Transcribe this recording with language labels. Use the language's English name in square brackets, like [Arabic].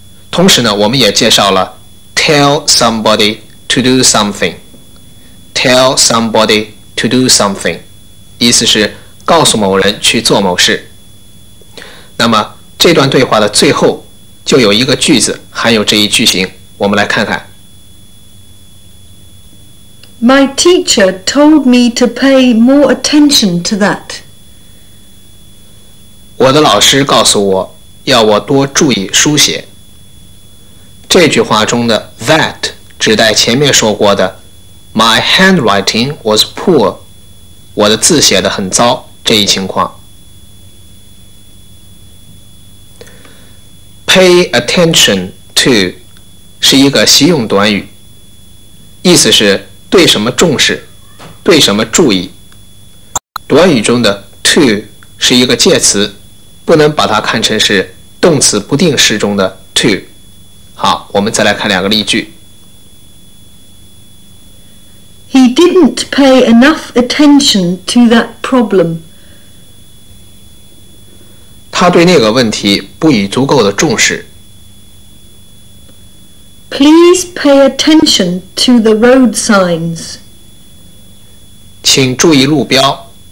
[Chinese] 同时呢，我们也介绍了 [English] tell somebody to do something， tell somebody to do something， [Chinese] 意思是告诉某人去做某事。那么这段对话的最后就有一个句子含有这一句型，我们来看看。 [English] My teacher told me to pay more attention to that. [Chinese] 我的老师告诉我要我多注意书写。这句话中的 that 指代前面说过的 [English] My handwriting was poor， [Chinese] 我的字写得很糟这一情况。 [English] Pay attention to [Chinese] 是一个习用短语，意思是对什么重视，对什么注意。短语中的 to 是一个介词，不能把它看成是动词不定式中的 to。好，我们再来看两个例句。 [English] He didn't pay enough attention to that problem. [Chinese] 他对那个问题不以足够的重视。 [English] Please pay attention to the road signs. [Chinese] 请注意路标。